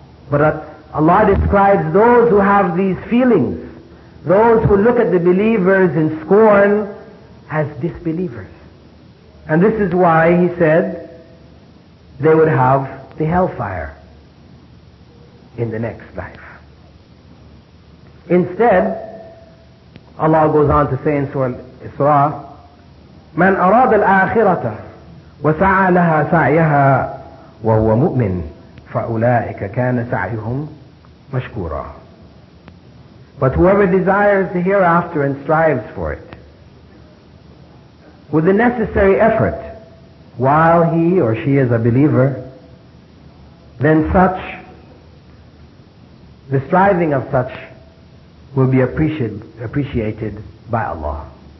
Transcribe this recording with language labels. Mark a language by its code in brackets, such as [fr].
[en] But Allah describes those who have these feelings, those who look at the believers in scorn, as disbelievers. And this is why he said they would have the hellfire in the next life. Instead, Allah goes on to say in Surah Al-Isra, [ar] مَنْ أَرَادَ الْآخِرَةَ وَسَعَى لَهَا سَعْيَهَا وَهُوَ مُؤْمِنٌ فَأُولَٰئِكَ كَانَ سَعْيُهُمْ مَشْكُورًا. [en] But whoever desires the hereafter and strives for it with the necessary effort while he or she is a believer, then such, the striving of such will be appreciated by Allah.